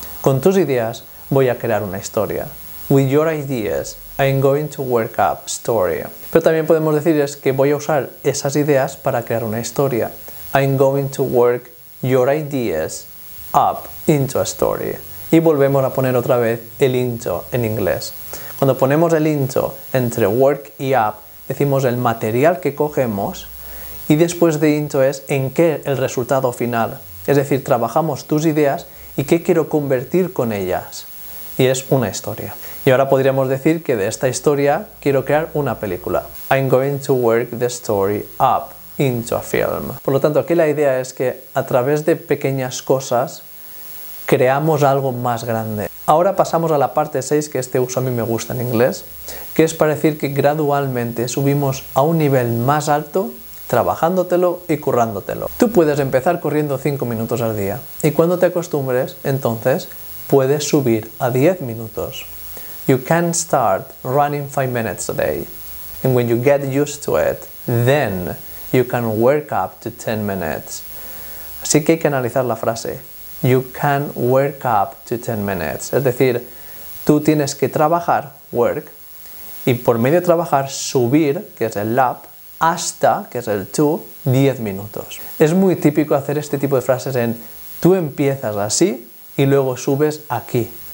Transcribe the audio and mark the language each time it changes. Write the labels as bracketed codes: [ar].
[es] Con tus ideas voy a crear una historia. [en] With your ideas, I'm going to work up a story. [es] Pero también podemos decir es que voy a usar esas ideas para crear una historia. [en] I'm going to work your ideas up into a story. [es] Y volvemos a poner otra vez el into en inglés. Cuando ponemos el into entre work y up, decimos el material que cogemos y después de into es en qué el resultado final. Es decir, trabajamos tus ideas y qué quiero convertir con ellas. Y es una historia. Y ahora podríamos decir que de esta historia quiero crear una película. [en] I'm going to work the story up into a film. [es] Por lo tanto, aquí la idea es que a través de pequeñas cosas creamos algo más grande. Ahora pasamos a la parte 6, que este uso a mí me gusta en inglés, que es para decir que gradualmente subimos a un nivel más alto trabajándotelo y currándotelo. Tú puedes empezar corriendo 5 minutos al día y cuando te acostumbres, entonces puedes subir a 10 minutos. [en] You can start running 5 minutes a day. And when you get used to it, then you can work up to 10 minutes. [es] Así que hay que analizar la frase. [en] You can work up to 10 minutes. [es] Es decir, tú tienes que trabajar, work, y por medio de trabajar, subir, que es el up, hasta, que es el to, 10 minutos. Es muy típico hacer este tipo de frases en tú empiezas así y luego subes aquí.